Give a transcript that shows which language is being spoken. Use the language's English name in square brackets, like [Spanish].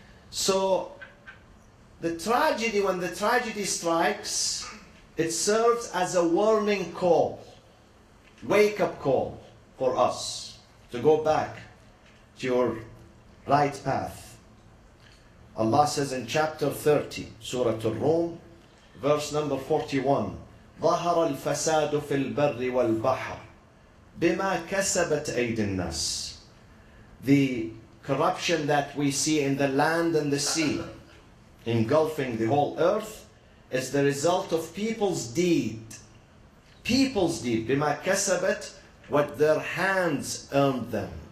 [English] So, the tragedy, when the tragedy strikes, it serves as a warning call, wake-up call for us to go back to your right path. Allah says in chapter 30, Surah Ar-Rum, verse number 41, [Arabic] ظَهَرَ الْفَسَادُ فِي الْبَرِّ وَالْبَحَرِ بِمَا كَسَبَتْ أَيْدِ النَّاسِ. [English] The corruption that we see in the land and the sea, engulfing the whole earth, is the result of people's deed. People's deed, bima kasabat, what their hands earned them.